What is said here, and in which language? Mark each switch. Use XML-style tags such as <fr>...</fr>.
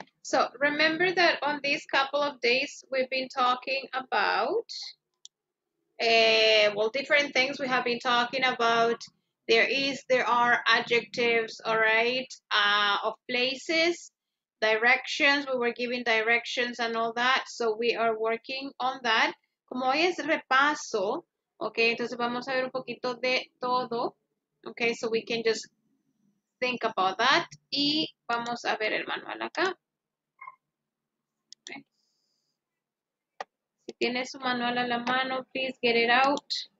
<en>So remember that on these couple of days, we've been talking about, well, different things. We have been talking about there are adjectives, all right, of places, directions. We were giving directions and all that. So we are working on that.</en> <es>Como hoy es repaso, okay, entonces vamos a ver un poquito de todo.</es> <en>Okay, so we can just think about that.</en> <es>Y vamos a ver el manual acá. Si tiene su manual a la mano,</es> <en>please get it out.</en>